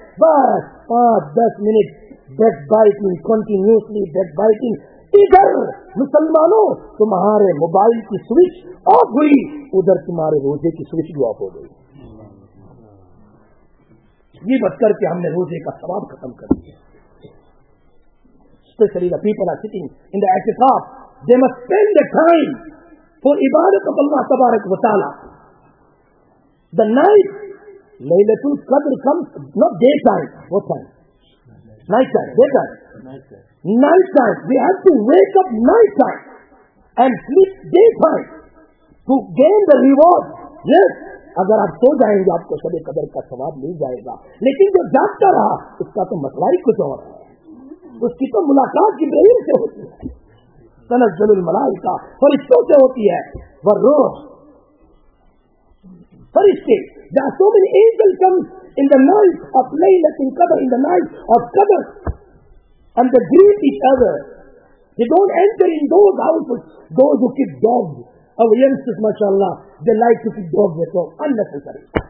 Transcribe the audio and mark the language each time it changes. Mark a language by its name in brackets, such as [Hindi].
[Urdu] بس پانچ دس minute [English] Back biting, continuously back biting. [Urdu] ادھر مسلمانوں تمہارے موبائل کی سوئچ آف ہوئی, ادھر تمہارے روزے کی سوئچ بھی آف ہو گئی. یہ بت کر کے ہم نے روزے کا ثواب ختم کر دیا. [English] Especially the people are sitting in the اعتکاف, they must spend the time for عبادت of اللہ تبارک و تعالیٰ. دا نائٹ لیلۃ القدر comes not day time, what time, night time, day time, night time. We have to wake up night time and sleep day time to gain the reward. [Urdu] یس اگر آپ سو جائیں گے آپ کو شب قدر کا ثواب مل جائے گا, لیکن جو جاگتا رہا اس کا تو مسئلہ ہی کچھ اور ہے, اس کی تو ملاقات کی بہن سے ہوتی ہے, [Arabic] تنزل الملائکہ [Urdu] فرشتوں سے ہوتی ہے, والروح فرشتے. [English] There are so many angels come in the night of Laylatul Qadr, in the night of Qadr, and they greet each other. They don't enter in those houses, those who keep dogs. Our youngsters, mashallah, they like to keep dogs at home, unnecessary.